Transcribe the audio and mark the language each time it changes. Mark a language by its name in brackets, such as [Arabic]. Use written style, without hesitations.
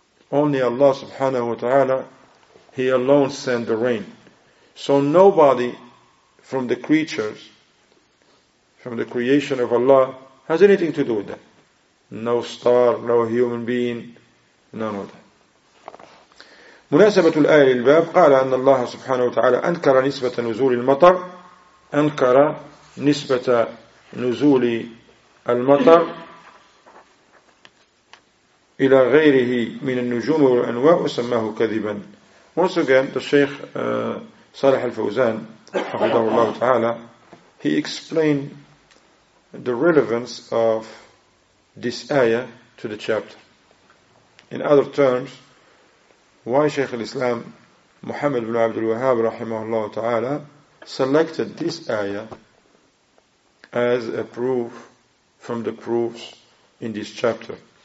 [English] Only Allah subhanahu wa ta'ala, He alone sent the rain. So nobody from the creatures, from the creation of Allah, has anything to do with that. No star, no human being, none of that. [Arabic] مناسبة الآية للباب قال أن الله سبحانه وتعالى أنكر نسبة نزول المطر أنكر نسبة نزول المطر إلى غيره من النجوم والأنواء وسماه كذبا. [English] Once again, the Sheikh صالح الفوزان [Arabic] حفظه الله تعالى, [English] he explained the relevance of this ayah to the chapter. In other terms, why Shaykh al-Islam Muhammad ibn Abdul Wahhab rahimahullah ta'ala selected this ayah as a proof from the proofs in this chapter.